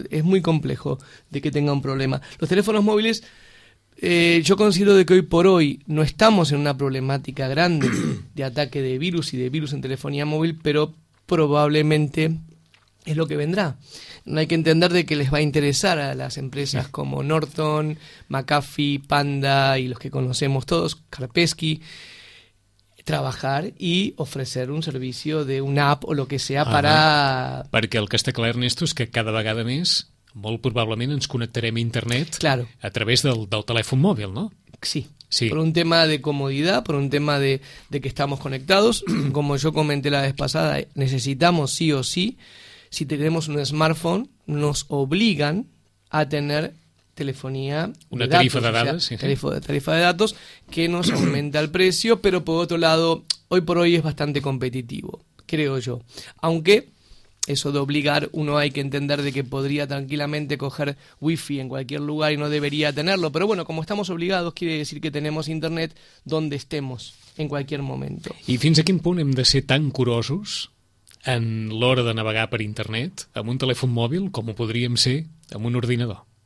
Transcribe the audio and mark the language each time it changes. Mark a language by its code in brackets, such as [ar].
[es] Es muy complejo de que tenga un problema. Los teléfonos móviles, yo considero de que hoy por hoy no estamos en una problemática grande de ataque de virus y de virus en telefonía móvil, pero probablemente es lo que vendrá. No hay que entender de que les va a interesar a las empresas como Norton, McAfee, Panda y los que conocemos todos, Karpesky, trabajar y ofrecer un servicio de una app o lo que sea para... [ca] Perquè el que està clar, Ernesto, és que cada vegada més, molt probablement, ens connectarem a internet a través del telèfon mòbil, no? [es] Sí. Por un tema de comodidad, por un tema de que estamos conectados. Como yo comenté la vez pasada, necesitamos sí o sí, si tenemos un smartphone, nos obligan a tener telefonía, una tarifa de datos, tarifa de datos que nos aumenta el precio, pero por otro lado, hoy por hoy es bastante competitivo, creo yo. Aunque eso de obligar, uno hay que entender de que podría tranquilamente coger wifi en cualquier lugar y no debería tenerlo, pero bueno, como estamos obligados, quiere decir que tenemos internet donde estemos en cualquier momento. [ca] ¿Y fins a quin punt hem de ser tan curosos en l'hora de navegar per internet amb un telèfon mòbil com ho podríem ser amb un ordinador?